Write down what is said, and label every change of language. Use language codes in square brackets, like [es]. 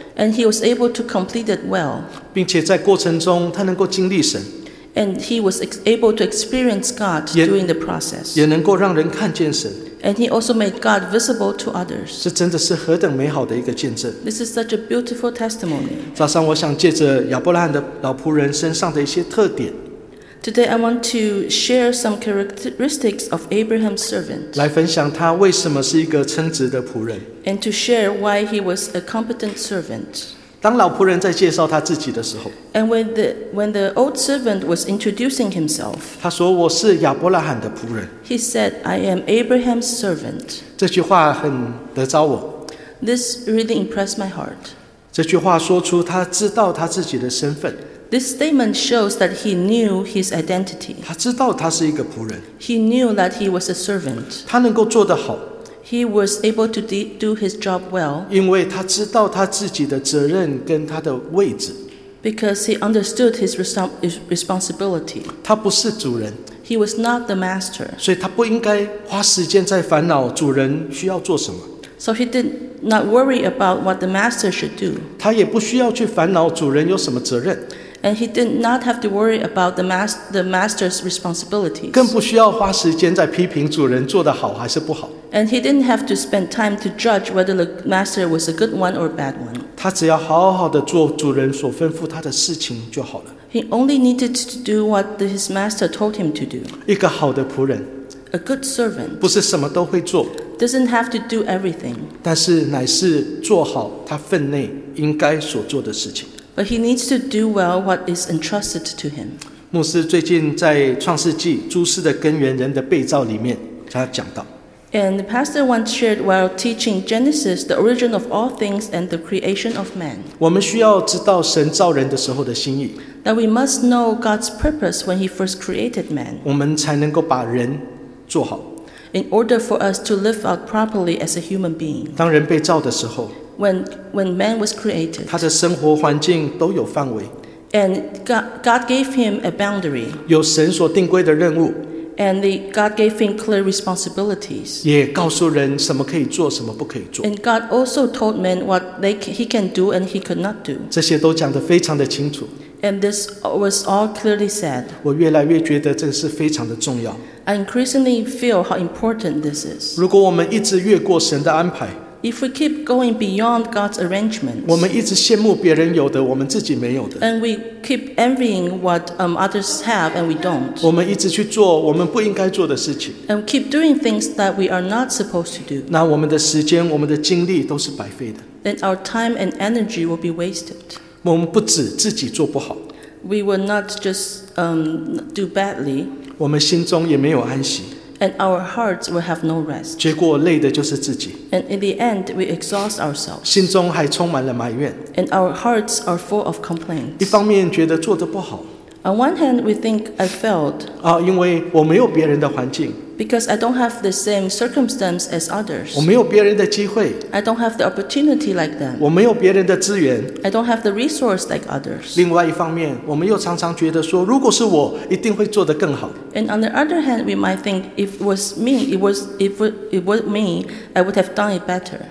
[en] ，And he was able to complete it well. [zh] 并且在过程中，他能够经历神 [en] ，And he was able to experience God during the process. [zh] 也能够让人看见神。 [en] And he also made God visible to others. [zh] 这真的是何等美好的一个见证。 [en] This is such a beautiful testimony. [zh] 早上我想借着亚伯拉罕的老仆人身上的一些特点。 [en] Today I want to share some characteristics of Abraham's servant. [zh] 来分享他为什么是一个称职的仆人。 [en] And to share why he was a competent servant. [zh] 当老仆人在介绍他自己的时候。 [en] And when the old servant was introducing himself, [zh] 他说我是亚伯拉罕的仆人。 [en] He said, I am Abraham's servant. [zh] 这句话很得着我。 [en] This really impressed my heart. [zh] 这句话说出他知道他自己的身份。 [en] This statement shows that he knew his identity. [zh] 他知道他是一个仆人。 [en] He knew that he was a servant. [zh] 他能够做得好。 [en] He was able to do his job well. [zh] 因为他知道他自己的责任跟他的位置。 [en] Because he understood his responsibility. [zh] 他不是主人。 [en] He was not the master. [zh] 所以他不应该花时间在烦恼主人需要做什么。 [en] So he did not worry about what the master should do. [zh] 他也不需要去烦恼主人有什么责任。 [en] And he did not have to worry about the master's responsibilities. [zh] 更不需要花时间在批评主人做得好还是不好。 [en] And he didn't have to spend time to judge whether the master was a good one or a bad one. [zh] 他只要好好地做主人所吩咐他的事情就好了。 [en] He only needed to do what his master told him to do. [zh] 一个好的仆人。 [en] A good servant. [zh] 不是什么都会做。 [en] Doesn't have to do everything. [zh] 但是乃是做好他分内应该所做的事情。 [en] But he needs to do well what is entrusted to him. [zh] 牧师最近在《创世纪》诸事的根源人的被造里面他讲到。 [en] And the pastor once shared while teaching Genesis, the origin of all things and the creation of man. [zh] 我们需要知道神造人的时候的心意。 [en] That we must know God's purpose when he first created man. [zh] 我们才能够把人做好。 [en] In order for us to live out properly as a human being. [zh] 当人被造的时候。 [en] When man was created. [zh] 他的生活环境都有范围。 [en] And God gave him a boundary. [zh] 有神所定规的任务。 [en] And God gave him clear responsibilities. [zh] 也告诉人什么可以做，什么不可以做。 [en] And God also told men what he can do and he could not do. [zh] 这些都讲得非常的清楚。 [en] And this was all clearly said. [zh] 我越来越觉得这是非常的重要。 [en] I increasingly feel how important this is. [zh] 如果我们一直越过神的安排。 [en] If we keep going beyond God's arrangements, [zh] 我们一直羡慕别人有的，我们自己没有的。 [en] And we keep envying what others have and we don't. [zh] 我们一直去做我们不应该做的事情。 [en] And keep doing things that we are not supposed to do. [zh] 那我们的时间，我们的精力都是白费的。 [en] Then our time and energy will be wasted. [zh] 我们不止自己做不好。 [en] We will not just do badly. [zh] 我们心中也没有安息。 [en] And our hearts will have no rest. [zh] 结果累的就是自己。 [en] And in the end, we exhaust ourselves. [zh] 心中还充满了埋怨。 [en] And our hearts are full of complaints. [zh] 一方面觉得做得不好。 [en] On one hand, we think I failed. [zh] 因为我没有别人的环境。 [en] Because I don't have the same circumstance as others. [zh] 我没有别人的机会。 [en] I don't have the opportunity like them. [zh] 我没有别人的资源。 [en] I don't have the resource like others. [zh] 另外一方面，我们又常常觉得说，如果是我，一定会做得更好。 [en] And on the other hand, we might think if it was me, I would have done it better.